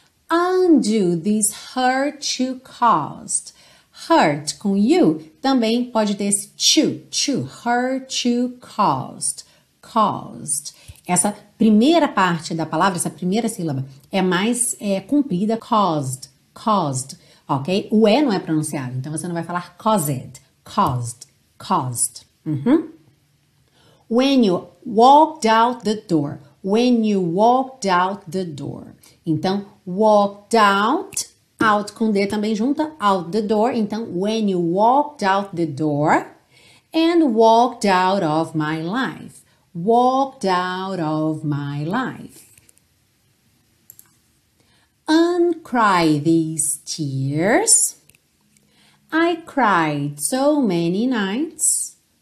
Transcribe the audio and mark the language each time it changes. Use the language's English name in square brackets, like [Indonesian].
[English] Undo this hurt you caused. [Portuguese] Hurt com you também pode ter esse to, to. [English] Hurt you caused. Caused. [Portuguese] Essa primeira parte da palavra, essa primeira sílaba, é mais comprida, [English] caused, caused, [Portuguese] ok? O E não é pronunciado, então você não vai falar [English] caused, caused, caused. When you walked out the door, when you walked out the door. [Portuguese] Então, [English] walked out, out [Portuguese] com D também junta, [English] out the door. [Portuguese] Então, [English] when you walked out the door and walked out of my life. Walked out of my life. Uncry these tears. I cried so many nights.